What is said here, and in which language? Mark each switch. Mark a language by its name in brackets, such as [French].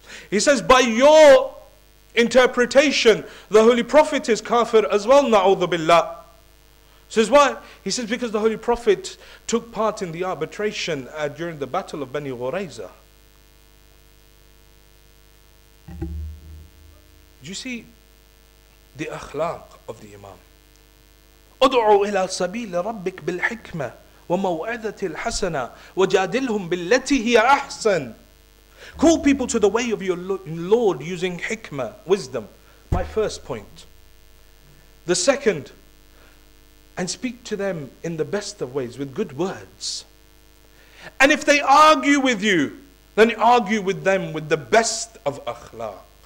[English] He says, by your interpretation, the Holy Prophet is kafir as well, na'udhu billah. Says why? He says, because the Holy Prophet took part in the arbitration during the battle of Bani Ghurayza. Do you see the akhlaq of the Imam? [Arabic] أدعو إلى سبيل ربك بالحكمة وموعظة الحسنة وجادلهم بالتي هي أحسن. [English] Call people to the way of your Lord using hikmah, wisdom. My first point. The second, and speak to them in the best of ways, with good words. And if they argue with you, then argue with them with the best of akhlaq.